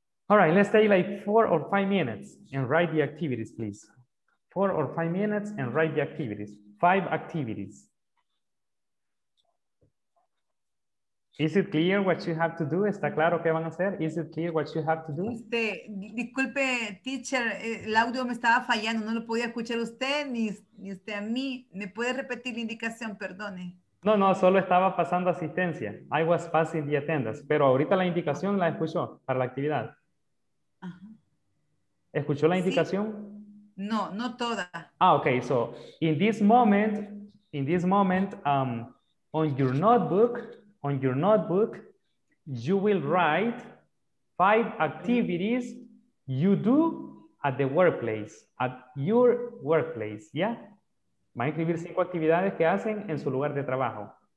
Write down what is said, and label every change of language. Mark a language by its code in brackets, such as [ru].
[en] All right, let's take like 4 or 5 minutes and write the activities, please. 4 or 5 minutes and write the activities, 5 activities. Is it clear what you have to do? [es] ¿Está claro qué van a hacer? [en] Is it clear what you have to do? [es] Disculpe, teacher, el audio me estaba fallando. No lo podía escuchar usted ni usted a mí. ¿Me puede repetir la indicación? Perdone. No, solo estaba pasando asistencia. [en] I was passing the attendance. [es] Pero ahorita la indicación la escuchó para la actividad. Ajá. ¿Escuchó la indicación? Sí. No toda. Ah, okay. [en] So, in this moment, on your notebook, you will write 5 activities you do at the workplace, at your workplace, yeah? [es] Va a escribir 5 actividades que hacen en su lugar de trabajo.